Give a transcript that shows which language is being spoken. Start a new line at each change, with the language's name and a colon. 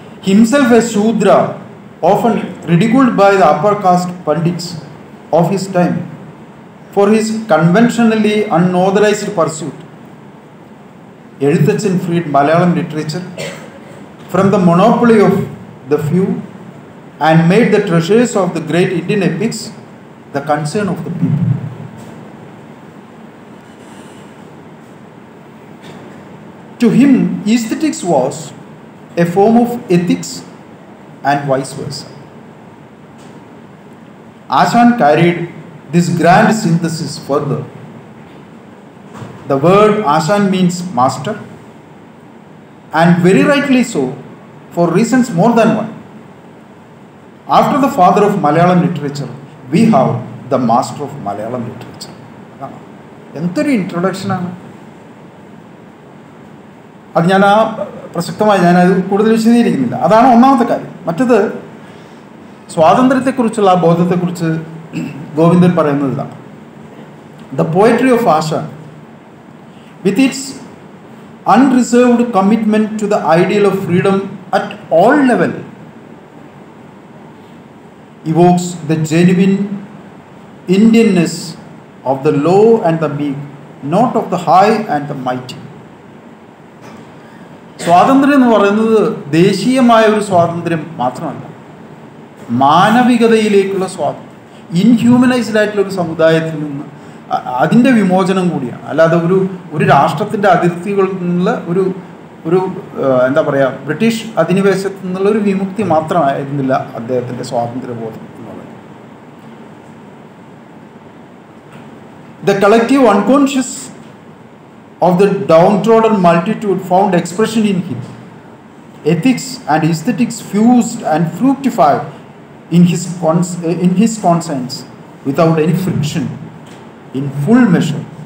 English: Himself a Shudra, often ridiculed by the upper caste pundits of his time for his conventionally unauthorised pursuit. Ezhuthachan freed Malayalam literature from the monopoly of the few and made the treasures of the great Indian epics the concern of the people. To him, aesthetics was a form of ethics and vice versa. Asan carried this grand synthesis further. The word Asan means master, and very rightly so, for reasons more than one. After the father of Malayalam literature, we have the master of Malayalam literature. Entire introduction ana.
Malayalam: അത് ഞാൻ ആ പ്രസക്തമായി ഞാനത് കൂടുതൽ വിശദീകരിക്കുന്നില്ല. അതാണ് ഒന്നാമത്തെ കാര്യം. മറ്റത്, സ്വാതന്ത്ര്യത്തെക്കുറിച്ചുള്ള ആ ബോധത്തെക്കുറിച്ച് ഗോവിന്ദൻ പറയുന്നത് ഇതാണ്.
English: the poetry of Asan, with its unreserved commitment to the ideal of freedom at all levels, evokes the genuine Indianness of the low and the meek, not of the high and the mighty.
Malayalam: സ്വാതന്ത്ര്യം എന്ന് പറയുന്നത് ദേശീയമായ ഒരു സ്വാതന്ത്ര്യം മാത്രമല്ല, മാനവികതയിലേക്കുള്ള സ്വാതന്ത്ര്യം. ഇൻഹ്യൂമനൈസ്ഡ് ആയിട്ടുള്ള ഒരു സമുദായത്തിൽ നിന്ന് അതിൻ്റെ വിമോചനം കൂടിയാണ്. അല്ലാതെ ഒരു ഒരു രാഷ്ട്രത്തിൻ്റെ അതിർത്തികളിൽ നിന്നുള്ള ഒരു ഒരു എന്താ പറയുക, ബ്രിട്ടീഷ് അധിനിവേശത്തു നിന്നുള്ള ഒരു വിമുക്തി മാത്രമായിരുന്നില്ല അദ്ദേഹത്തിൻ്റെ സ്വാതന്ത്ര്യബോധം എന്ന് പറയുന്നത്.
English: The collective unconscious of the downtrodden multitude found expression in him. Ethics and aesthetics fused and fructified in his conscience without any friction, in full measure.